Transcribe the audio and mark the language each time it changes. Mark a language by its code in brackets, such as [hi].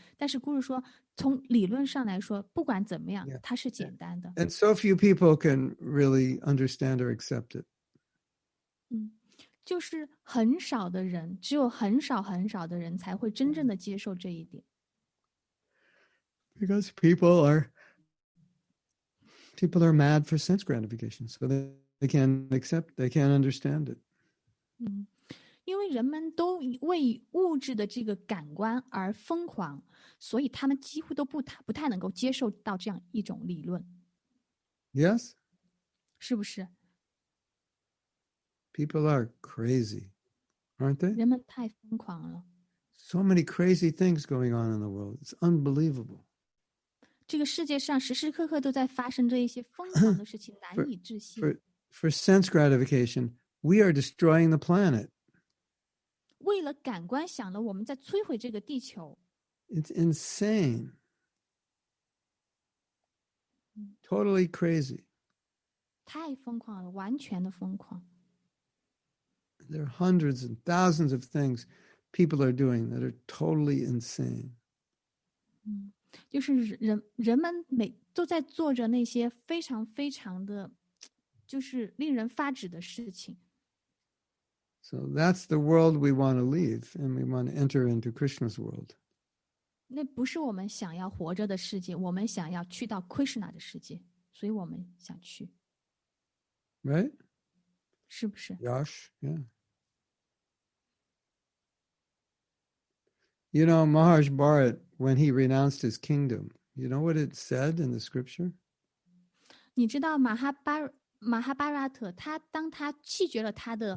[zh] 但是 Guru 说，从理论上来说，不管怎么样，它是简单的。 [en] And so few people can really understand or accept it. [zh] 就是很少的人，只有很少很少的人才会真正的接受这一点。 [en] Because people are mad for sense gratification, so they can't accept, they can't understand it. [zh] 因为人们都为物质的这个感官而疯狂，所以他们几乎都不太能够接受到这样一种理论。 [en] Yes? [zh] 是不是？ [en] People are crazy, aren't they? [zh] 人们太疯狂了。 [en] So many crazy things going on in the world. It's unbelievable. [zh] 这个世界上时时刻刻都在发生着一些疯狂的事情，难以置信。 [en] For sense gratification, we are destroying the planet. [zh] 为了感官享乐，我们在摧毁这个地球。 [en] It's insane. Totally crazy. [zh] 太疯狂了，完全的疯狂。 [en] There are hundreds and thousands of things people are doing that are totally insane. [zh] 就是人们每都在做着那些非常非常的就是令人发指的事情。 [en] So that's the world we want to leave and we want to enter into Krishna's world. [zh] 那不是我们想要活着的世界，我们想要去到 Krishna 的世界，所以我们想去。 [en] Right? [zh] 是不是 [en] Yash, yeah. You know, Maharaj Bharat, when he renounced his kingdom, you know what it said in the scripture? [zh] 你知道马哈巴拉特他当他弃绝了他的